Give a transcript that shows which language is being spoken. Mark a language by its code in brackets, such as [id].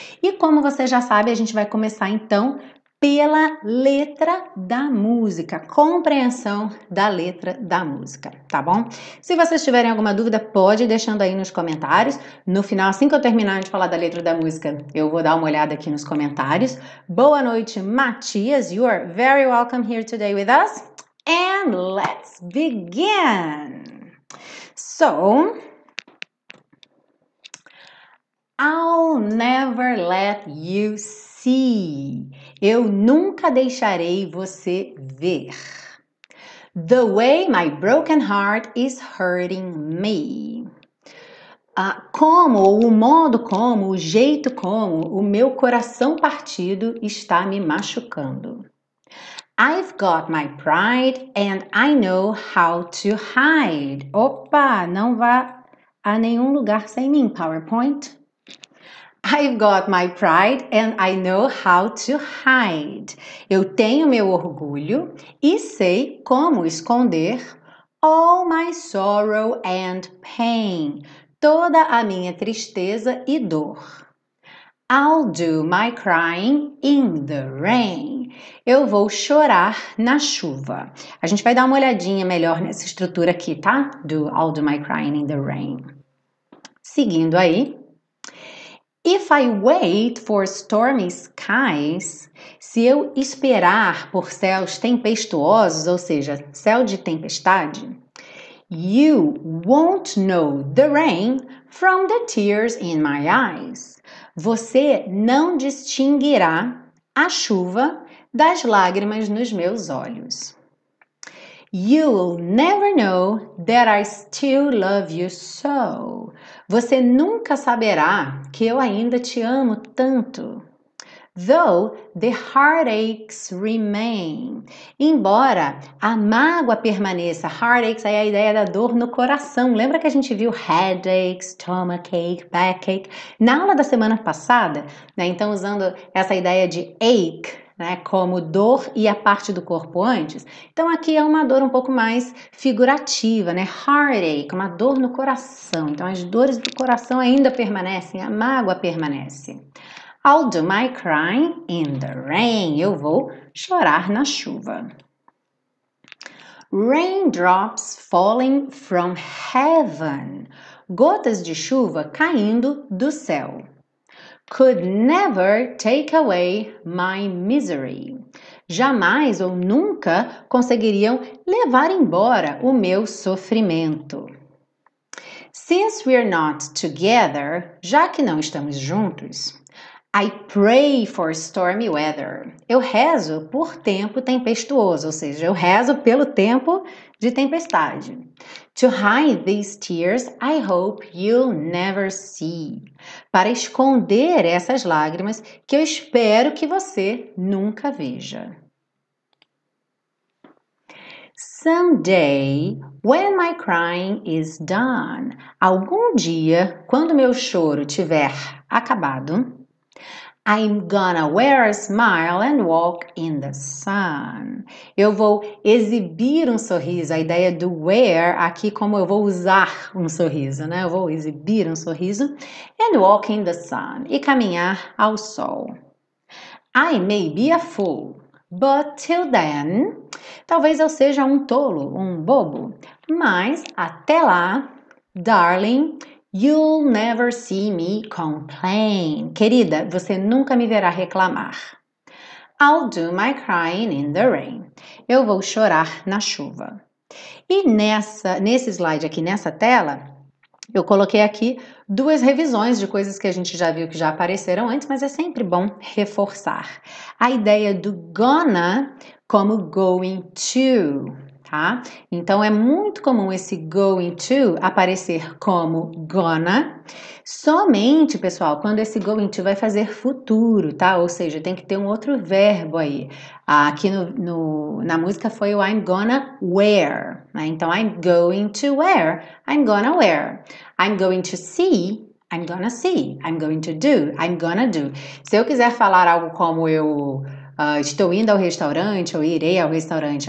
[pt] E como você já sabe, a gente vai começar então pela letra da música, compreensão da letra da música, tá bom? Se vocês tiverem alguma dúvida, pode ir deixando aí nos comentários. No final, assim que eu terminar de falar da letra da música, eu vou dar uma olhada aqui nos comentários. Boa noite, Matias. [en] You are very welcome here today with us. And let's begin. So, I'll never let you see. [pt] Eu nunca deixarei você ver. [en] The way my broken heart is hurting me. [pt] Como, o modo como, o jeito como, o meu coração partido está me machucando. [en] I've got my pride and I know how to hide. [pt] Opa, não vá a nenhum lugar sem mim, PowerPoint. [en] I've got my pride and I know how to hide. [pt] Eu tenho meu orgulho e sei como esconder [en] all my sorrow and pain, [pt] toda a minha tristeza e dor. [en] I'll do my crying in the rain. [pt] Eu vou chorar na chuva. A gente vai dar uma olhadinha melhor nessa estrutura aqui, tá? [en] Do I'll do my crying in the rain. [pt] Seguindo aí. [en] If I wait for stormy skies, [pt] se eu esperar por céus tempestuosos, ou seja, céu de tempestade, [en] you won't know the rain from the tears in my eyes. [pt] Você não distinguirá a chuva das lágrimas nos meus olhos. [en] You'll never know that I still love you so. [pt] Você nunca saberá que eu ainda te amo tanto. [en] Though the heartaches remain. [pt] Embora a mágoa permaneça, heartaches é a ideia da dor no coração. Lembra que a gente viu headaches, stomachache, backache na aula da semana passada, né? Então, usando essa ideia de ache, né, como dor e a parte do corpo antes. Então aqui é uma dor um pouco mais figurativa, né? Heartache, uma dor no coração. Então as dores do coração ainda permanecem, a mágoa permanece. [en] I'll do my crying in the rain. [pt] Eu vou chorar na chuva. [en] Raindrops falling from heaven. [pt] Gotas de chuva caindo do céu. [en] Could never take away my misery. [pt] Jamais ou nunca conseguiriam levar embora o meu sofrimento. [en] Since we're not together, [pt] já que não estamos juntos, [en] I pray for stormy weather. [pt] Eu rezo por tempo tempestuoso, ou seja, eu rezo pelo tempo de tempestade. [en] To hide these tears, I hope you'll never see. [pt] Para esconder essas lágrimas que eu espero que você nunca veja. [en] Someday, when my crying is done, [pt] algum dia, quando meu choro tiver acabado, [en] I'm gonna wear a smile and walk in the sun. [pt] Eu vou exibir um sorriso. A ideia do wear aqui, como eu vou usar um sorriso, né? Eu vou exibir um sorriso [en] and walk in the sun [pt] e caminhar ao sol. [en] I may be a fool, but till then, [pt] talvez eu seja um tolo, um bobo. Mas até lá, darling, [en] You'll never see me complain. [pt] Querida, você nunca me verá reclamar. [en] I'll do my crying in the rain. [pt] Eu vou chorar na chuva. E nesse slide aqui, nessa tela, eu coloquei aqui duas revisões de coisas que a gente já viu que já apareceram antes, mas é sempre bom reforçar. A ideia do gonna como going to, tá? Então é muito comum esse going to aparecer como gonna, somente, pessoal, quando esse going to vai fazer futuro, tá? Ou seja, tem que ter um outro verbo aí. Aqui no, no, na música foi o [en] I'm gonna wear, [pt] né? [en] Então I'm going to wear, I'm gonna wear. I'm going to see, I'm going to do, I'm gonna do. [pt] Se eu quiser falar algo como eu. Estou indo ao restaurante, ou irei ao restaurante.